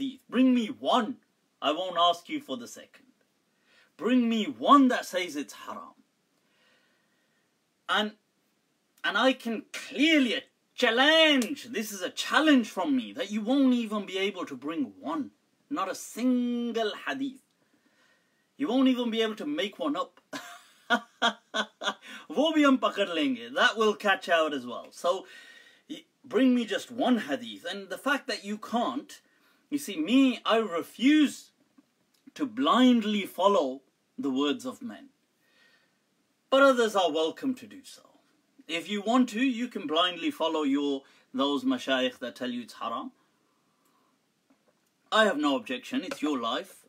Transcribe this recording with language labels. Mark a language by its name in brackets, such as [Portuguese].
[English] Bring me one. I won't ask you for the second. Bring me one that says it's haram. And I can clearly challenge. This is a challenge from me that you won't even be able to bring one. Not a single hadith. You won't even be able to make one up. [Hindi] वो भी हम पकड़ लेंगे. [English] That will catch out as well. So bring me just one hadith. And the fact that you can't. You see, me, I refuse to blindly follow the words of men. But others are welcome to do so. If you want to, you can blindly follow those mashayikh that tell you it's haram. I have no objection. It's your life.